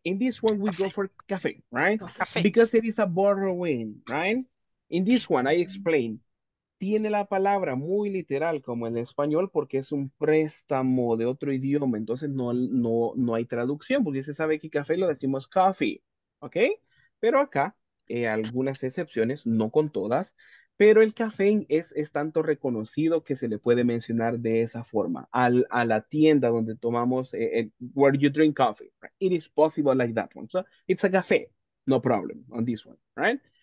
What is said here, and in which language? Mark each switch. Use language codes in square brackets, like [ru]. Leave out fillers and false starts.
[en] In this one, we go for cafe, right? Because it is a borrowing, right? In this one, I explained. [es] Tiene la palabra muy literal como en español porque es un préstamo de otro idioma. Entonces no hay traducción porque se sabe que café lo decimos coffee, ¿ok? Pero acá, algunas excepciones, no con todas, pero el café es tanto reconocido que se le puede mencionar de esa forma. A la tienda donde tomamos, [en] where you drink coffee. Right? It is possible like that one. So it's a café, no problem on this one, right?